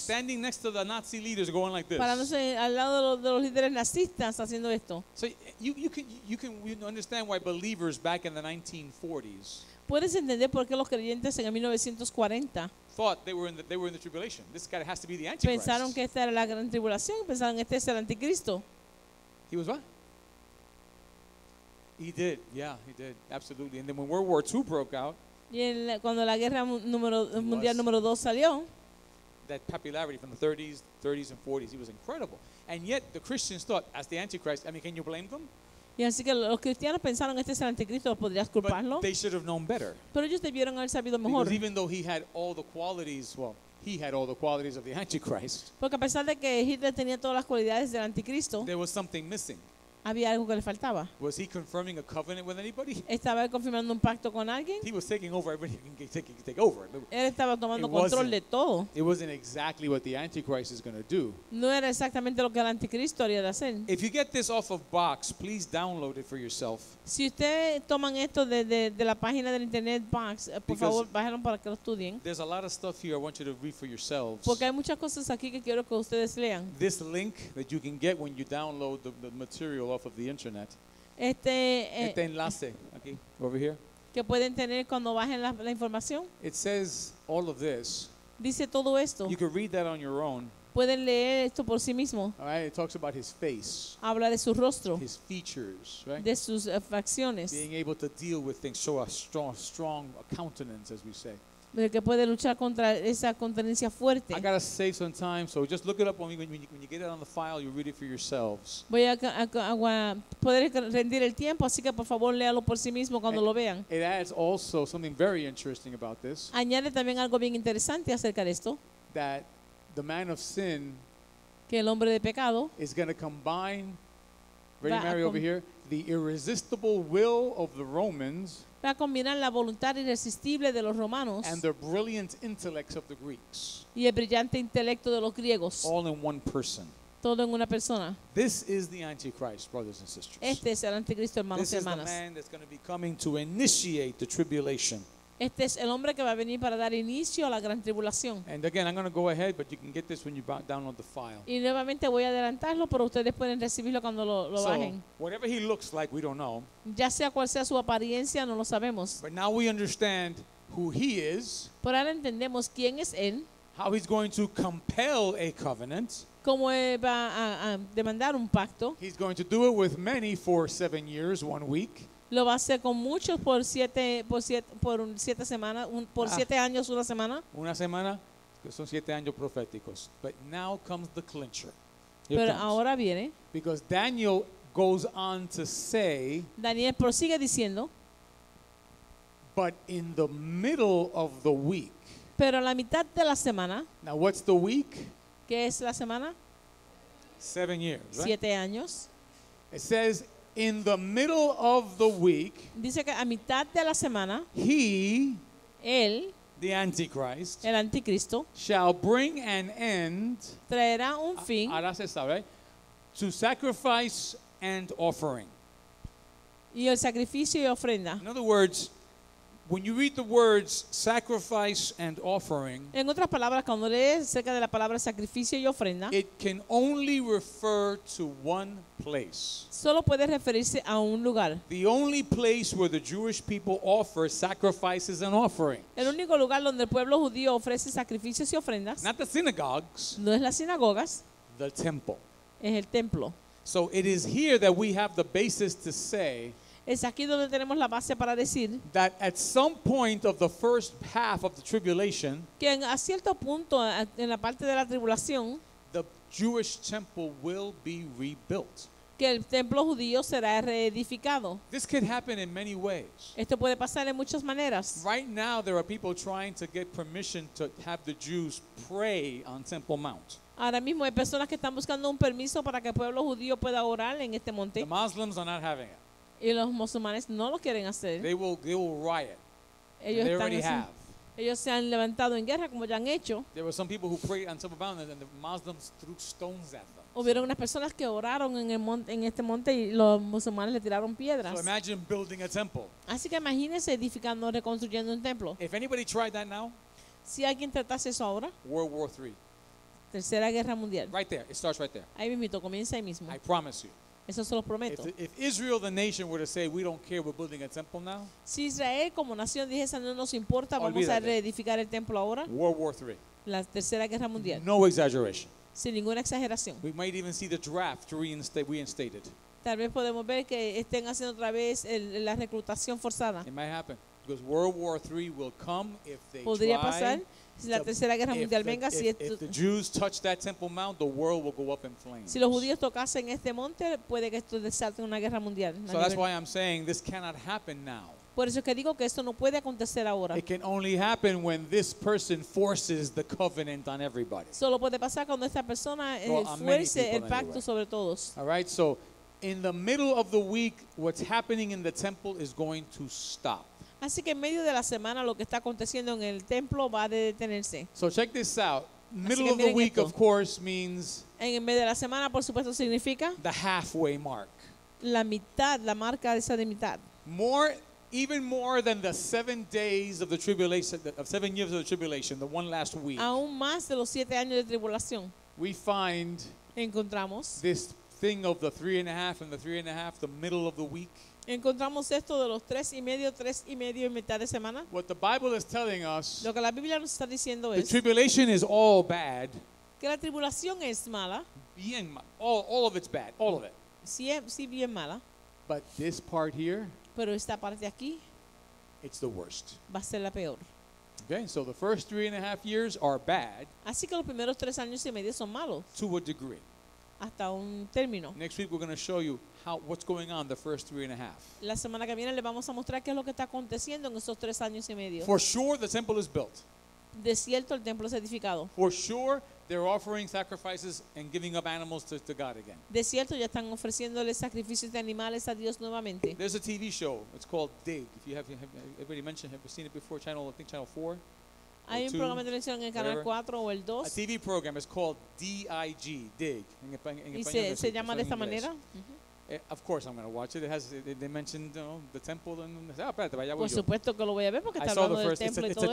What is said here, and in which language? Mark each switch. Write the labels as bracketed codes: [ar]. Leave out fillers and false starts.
[en] Standing next to the Nazi leaders going like this. [es] Parándose al lado de los líderes nazistas haciendo esto. [en] So you can understand why believers back in the 1940s. [es] Puedes entender por qué los creyentes en el 1940 [en] thought they were in the tribulation. This guy has to be the Antichrist. [es] Pensaron que esta era la gran tribulación, pensaron que este es el anticristo. [en] He was what? He did. Yeah, he did. Absolutely. And then when World War II broke out, [es] y cuando la guerra mundial número 2 salió, [en] that popularity from the 30s and 40s, he was incredible. And yet the Christians thought as the Antichrist, I mean, can you blame them? [es] Y así que los cristianos pensaron este es el anticristo, ¿podrías culparlo? [en] But they should have known better. [es] Pero ellos debieron haber sabido mejor. [en] Because even though he had all the qualities, well, he had all the qualities of the Antichrist. [es] Porque a pesar de que Hitler tenía todas las cualidades del anticristo, [en] there was something missing. [es] Había algo que le faltaba. [en] Was he confirming a covenant with anybody? [es] ¿Estaba confirmando un pacto con alguien? [en] He was taking over everybody. He could take over. [es] Él estaba tomando control de todo. [en] It wasn't exactly what the Antichrist is going to do. [es] No era exactamente lo que el anticristo haría de hacer. [en] If you get this off of Box, please download it for yourself. [es] Si ustedes toman esto de la página del internet Box, por favor, bájenlo para que lo estudien. [en] There's a lot of stuff here I want you to read for yourselves. [es] Porque hay muchas cosas aquí que quiero que ustedes lean. [en] This link that you can get when you download the material off of the internet. [es] Este enlace aquí, [en] over here. [es] Que pueden tener cuando bajen la información. [en] It says all of this. [es] Dice todo esto. [en] You can read that on your own. [es] Pueden leer esto por sí mismo. [en] All right, it talks about his face. [es] Habla de su rostro. [en] His features, right? [es] De sus facciones. [en] Being able to deal with things, show a strong countenance, as we say. [es] De que puede luchar contra esa contendencia fuerte. [en] I gotta save some time, so just look it up when you get it on the file, you read it for yourselves. [es] Voy a poder rendir el tiempo, así que por favor léalo por sí mismo cuando lo vean. [en] It adds also something very interesting about this. [es] Añade también algo bien interesante acerca de esto. [en] That the man of sin, [es] que el hombre de pecado, [en] is gonna combine, ready Mary over here, the irresistible will of the Romans. [es] Va a combinar la voluntad irresistible de los romanos [en] and the brilliant intellects of the Greeks. [es] Y el brillante intelecto de los griegos. [en] All in one person. [es] Todo en una persona. [en] This is the Antichrist, brothers and sisters. [es] Este es el anticristo, hermanos y hermanas. [en] This is the man that's going to be coming to initiate the tribulation. [es] Este es el hombre que va a venir para dar inicio a la gran tribulación. [en] And again, I'm going to go ahead, but you can get this when you download the file. [es] Y nuevamente voy a adelantarlo, pero ustedes pueden recibirlo cuando lo bajen. [en] So, whatever he looks like, we don't know. [es] Ya sea cual sea su apariencia, no lo sabemos. [en] But now we understand who he is. [es] Pero ahora entendemos quién es él. [en] How he's going to compel a covenant. [es] Cómo va a demandar un pacto. [en] He's going to do it with many for 7 years, 1 week. [es] Lo va a hacer con muchos por siete años, una semana. Una semana, que son 7 años proféticos. [en] But now comes the clincher. [es] Ahora viene. [en] Because Daniel goes on to say. [es] Daniel prosigue diciendo. [en] But in the middle of the week. [es] Pero a la mitad de la semana. [en] Now what's the week? [es] ¿Qué es la semana? [en] 7 years, right? [es] 7 años. [en] It says, in the middle of the week, [es] dice que a mitad de la semana, [en] he, [es] él, [en] the Antichrist, [es] el anticristo, [en] shall bring an end, [es] traerá un fin, ahora se sabe, [en] to sacrifice and offering. [es] Y el sacrificio y ofrenda. [en] In other words, when you read the words sacrifice and offering, [es] en otras palabras, cuando lees acerca de la palabra sacrificio y ofrenda, [en] it can only refer to one place. [es] Solo puede referirse a un lugar. [en] The only place where the Jewish people offer sacrifices and offerings. [es] El único lugar donde el pueblo judío ofrece sacrificios y ofrendas. [en] Not the synagogues. [es] No es las sinagogas. [en] The temple. [es] Es el templo. [en] So it is here that we have the basis to say. [es] Es aquí donde tenemos la base para decir [en] that at some point of the first half of the tribulation, [es] que a cierto punto en la parte de la tribulación, [en] the Jewish temple will be rebuilt. [es] que el templo judío será reedificado. [en] This could happen in many ways. [es] Esto puede pasar en muchas maneras. [en] Right now there are people trying to get permission to have the Jews pray on Temple Mount. [es] Ahora mismo hay personas que están buscando un permiso para que el pueblo judío pueda orar en este monte. [en] The Muslims are not having it. [es] Y los musulmanes no lo quieren hacer. [en] They will riot. [es] Ellos [en] they already have. [es] Ellos se han levantado en guerra como ya han hecho. [en] There were some people who prayed on Temple Mount and the Muslims threw stones at them. [es] Hubieron unas personas que oraron en el monte, en este monte, y los musulmanes le tiraron piedras. [en] So imagine building a temple. [es] Así que imagínense edificando, reconstruyendo un templo. [en] If anybody tried that now, [es] si alguien tratase eso ahora, [en] World War III. [es] Tercera Guerra Mundial. [en] Right there, it starts right there. [es] Ahí mismo, comienza ahí mismo. [en] I promise you. [es] Eso se los prometo. [en] If Israel, the nation, were to say, "We don't care, we're building a temple now," [es] si Israel como nación dijese, no nos importa, vamos a reedificar el templo ahora. [en] World War III. [es] La Tercera Guerra Mundial. [en] No exaggeration. [es] Sin ninguna exageración. [en] We might even see the draft reinstated. [es] Tal vez podemos ver que estén haciendo otra vez la reclutación forzada. [en] It might happen because World War III will come if they [es] podría [en] try. [es] Pasar si la Tercera Guerra Mundial venga. [en] If, [es] si [en] if the Jews touch that Temple Mount, the world will go up in flames. [es] Si los judíos tocasen este monte, puede que esto desate una guerra mundial. [en] So that's why I'm saying this cannot happen now. [es] Por eso que digo que esto no puede acontecer ahora. [en] It can only happen when this person forces the covenant on everybody. [es] Solo puede pasar cuando esta persona fuerce el pacto sobre todos. [en] All right, so in the middle of the week, what's happening in the temple is going to stop. [es] Así que en medio de la semana, lo que está aconteciendo en el templo va a detenerse. [en] So check this out. Middle of the week, of course, means. [es] En medio de la semana, por supuesto, significa. [en] The halfway mark. [es] La mitad, la marca esa de mitad. [en] More. Even more than the 7 days of the tribulation, of 7 years of the tribulation, the one last week. [es] Aún más de los 7 años de tribulación. [en] We find. [es] Encontramos. [en] This thing of the 3.5 and the 3.5, the middle of the week. [es] Encontramos esto de los tres y medio y mitad de semana. [en] What the Bible is telling us. [es] Lo que la Biblia nos está diciendo [en] the [es] es. [en] The tribulation is all bad. [es] Que la tribulación es mala. Bien mal. [en] All of it's bad. All of it. [es] Sí, bien mala. [en] But this part here. [es] Pero esta parte aquí, [en] it's the worst. [es] Va a ser la peor. [en] Okay, so the first 3.5 years are bad. [es] Así que los primeros 3 años y medio son malos. [en] To a degree. [es] Hasta un término. [en] Next week we're going to show you what's going on the first 3.5. [es] La semana que viene le vamos a mostrar qué es lo que está aconteciendo en esos 3 años y medio. [en] For sure the temple is built. [es] De cierto el templo es edificado. [en] For sure they're offering sacrifices and giving up animals to God again. [es] De cierto ya están ofreciéndole sacrificios de animales a Dios nuevamente. [en] There's a TV show. It's called Dig. If you have everybody mentioned, have you seen it before? Channel, I think Channel 4. [es] Hay un programa de televisión en Canal 4 o el 2. [en] A TV program is called DIG, Dig. [es] En y se llama de esta manera. [en] Of course, I'm going to watch it. They mentioned, you know, the temple and. [es] Oh, espérate, vaya, por supuesto que lo voy a ver porque está hablando del templo y todo